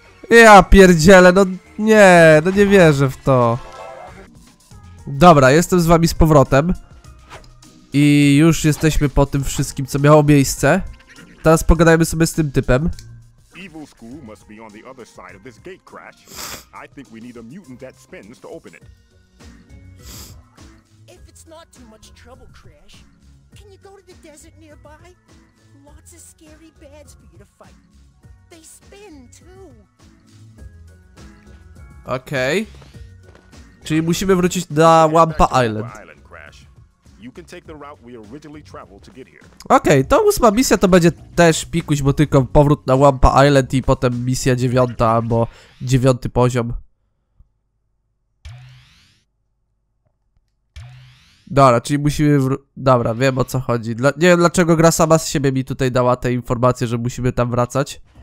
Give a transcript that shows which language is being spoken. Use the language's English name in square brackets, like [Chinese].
[Polish] Ja pierdzielę, no nie wierzę w to. Dobra, jestem z wami z powrotem. I już jesteśmy po tym wszystkim, co miało miejsce. Teraz pogadajmy sobie z tym typem. [English] Evil school must be on the other side of this gate crash. I think we need a mutant that spins to open it. Not too much trouble, Crash. Can you go to the desert nearby? Lots of scary bads for you to fight. They spin too. Okay. [Polish] Czyli musimy wrócić na Wampa Island. [English] You can take the route we originally traveled to get here. [Polish] Okay, to ósma misja to będzie też pikuś, bo tylko powrót na Wampa Island i potem misja dziewiąta, albo dziewiąty poziom. Dobra, czyli musimy Dobra, wiem o co chodzi. Nie wiem dlaczego gra sama z siebie mi tutaj dała te informacje, że musimy tam wracać.